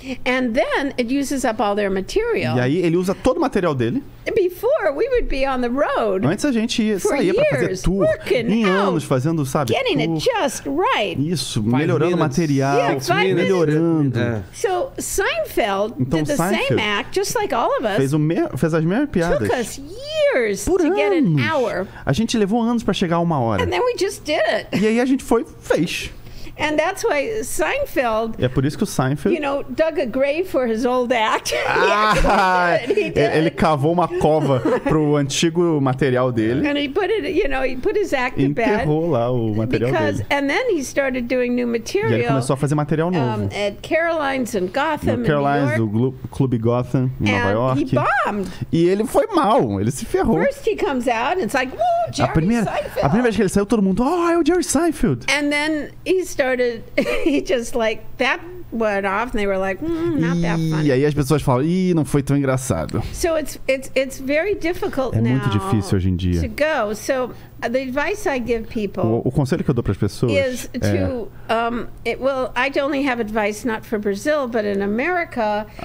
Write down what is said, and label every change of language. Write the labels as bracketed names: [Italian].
[English] And then it uses up all their material. [Portuguese] E aí ele usa todo o material dele. [English] Before we would be on the road. [Portuguese] Antes a gente saía para fazer tour, em anos fazendo, sabe? [English] Getting it just right. [Portuguese] Isso, melhorando o material, melhorando. [English] So Seinfeld did the same act, just like all of us. [Portuguese] Fez as mesmas piadas. [English] Took us years to get an hour. [Portuguese] A gente levou anos para chegar a uma hora. [English] And then we just did it. [Portuguese] E aí a gente foi fez. [English] And that's why Seinfeld, [Portuguese] é por isso que o Seinfeld, [English] you know, dug a grave for his old act. [Portuguese] Ele cavou uma cova pro antigo material dele. [English] And he put it, you know, he put his act to bed. [Portuguese] Enterrou lá o material dele. [English] And then he started doing new material. [Portuguese] E ele começou a fazer material novo. [English] At Caroline's in Gotham, [Portuguese] no Caroline's, [English] in New York. [Portuguese] O Clube Gotham, em [English] and [Portuguese] Nova York. [English] He bombed. [Portuguese] E ele foi mal, ele se ferrou. [English] First he comes out and it's like, "Whoa, Jerry Seinfeld." [Portuguese] A primeira vez que ele saiu, todo mundo, "Oh, é o Jerry Seinfeld." [English] And then he just like that went off and they were like not that funny. [Portuguese] E aí as pessoas falam, "Ih, não foi tão engraçado." [English] So it's very difficult now. [Portuguese] É muito difícil hoje em dia. [English] To go. So the advice I give people, [Portuguese] o conselho que eu dou para as pessoas [English] is to I only have advice not for Brazil, but in America.